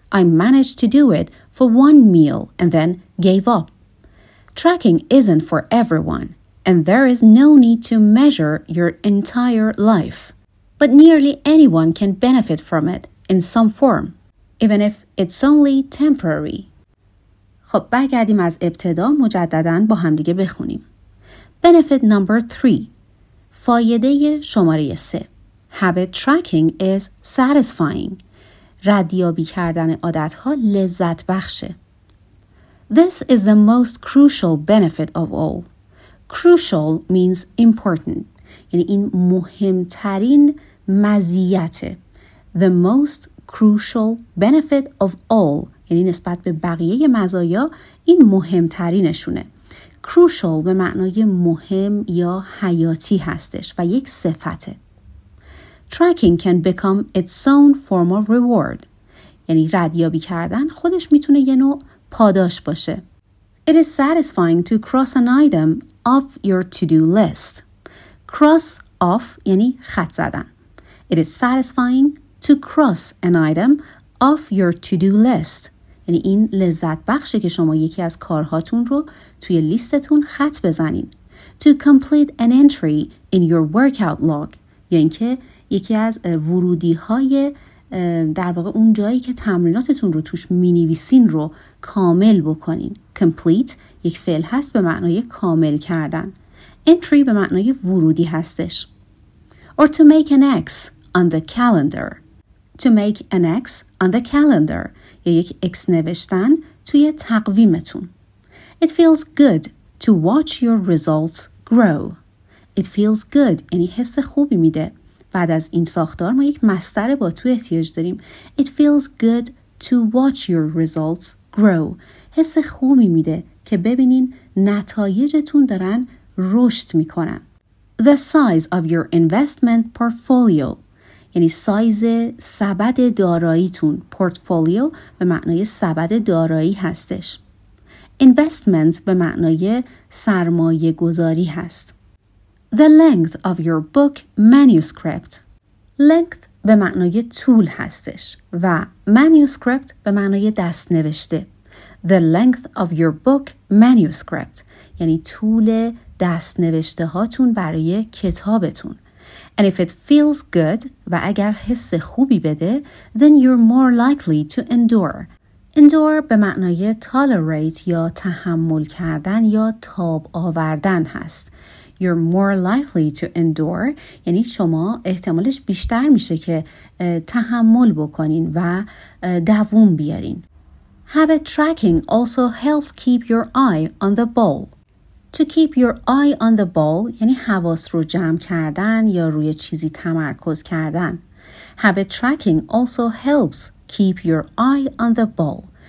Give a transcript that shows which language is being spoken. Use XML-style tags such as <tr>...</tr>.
<en>I managed to do it for one meal and then gave up. Tracking isn't for everyone, and there is no need to measure your entire life. But nearly anyone can benefit from it in some form, even if it's only temporary.</en> <fa>خب برگردیم از ابتدا مجدداً با هم دیگه بخونیم.</fa> <en>Benefit number 3.</en> <fa>فایده شماره 3.</fa> <en>Habit tracking is satisfying.</en> <fa>ردیابی کردن عادت‌ها لذت بخشه.</fa> <en>This is the most crucial benefit of all. Crucial means important.</en> <fa>یعنی این مهمترین مزیته.</fa> <en>The most crucial benefit of all.</en> <fa>یعنی نسبت به بقیه مزایا این مهمترینشونه. Crucial به معنای مهم یا حیاتی هستش و یک صفته.</fa> <en>Tracking can become its own form of reward.</en> <fa>یعنی ردیابی کردن خودش میتونه یه نوع پاداش باشه.</fa> <en>It is satisfying to cross an item off your to-do list.</en> <fa>Cross off یعنی خط زدن.</fa> <en>It is satisfying to cross an item off your to-do list.</en> <fa>یعنی این لذت بخشه که شما یکی از کارهاتون رو توی لیستتون خط بزنین.</fa> <en>To complete an entry in your workout log.</en> <fa>یعنی که یکی از ورودی های در واقع اون جایی که تمریناتتون رو توش مینویسین رو کامل بکنین. Complete یک فعل هست به معنای کامل کردن. entry به معنای ورودی هستش.</fa> <en>Or to make an X on the calendar. To make an X on the calendar.</en> <fa>یا یک X نوشتن توی تقویمتون.</fa> <en>It feels good to watch your results grow. It feels good.</en> <fa>یعنی حس خوبی میده. بعد از این ساختار ما یک مصدر با تو احتیاج داریم.</fa> <en>It feels good to watch your results grow.</en> <fa>حس خوبی میده که ببینین نتایجتون دارن رشد میکنن.</fa> <en>The size of your investment portfolio.</en> <fa>یعنی سایز سبد داراییتون. پورتفولیو به معنای سبد دارایی هستش. Investment به معنای سرمایه گذاری هست.</fa> <en>The length of your book manuscript.</en> <fa>Length به معنای طول هستش و manuscript به معنای دست نوشته.</fa> <en>The length of your book manuscript</en> <fa>یعنی طول دست نوشته هاتون برای کتابتون.</fa> <en>And if it feels good</en> <fa>و اگر حس خوبی بده,</fa> <en>then you're more likely to endure.</en> <fa>Endure به معنای tolerate یا تحمل کردن یا تاب آوردن هست.</fa> <en>You're more likely to endure</en> <fa>یعنی شما احتمالش بیشتر میشه که تحمل بکنین و دووم بیارین.</fa> <en>Habit tracking also helps keep your eye on the ball. To keep your eye on the ball</en> <fa>یعنی حواس رو جمع کردن یا روی چیزی تمرکز کردن.</fa> <en>Habit tracking also helps keep your eye on the ball.</en>